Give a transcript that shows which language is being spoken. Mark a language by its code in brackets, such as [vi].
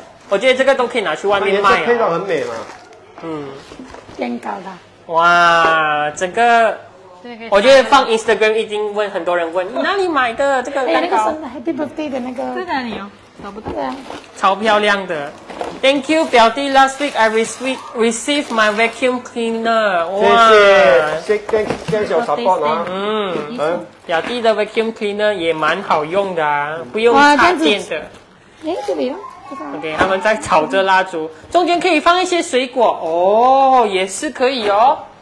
[zh] 我觉得这个都可以拿去外面卖啊。配料很美嘛。嗯。蛋糕的。哇，整个，我觉得放 Instagram 已经问很多人问你哪里买的这个蛋糕。哎，那个 [en] Happy Birthday [zh] 的那个。在哪里哦？找不到啊！超漂亮的 ， [en] Thank you， [zh] 表弟。 [en] Last week I received my vacuum cleaner。 [zh] 哇！谢谢小 support 啊。嗯，表弟的 vacuum cleaner 也蛮好用的啊，不用插电的。哎，这里哦。 OK， 他们在炒着蜡烛，中间可以放一些水果哦，也是可以哦。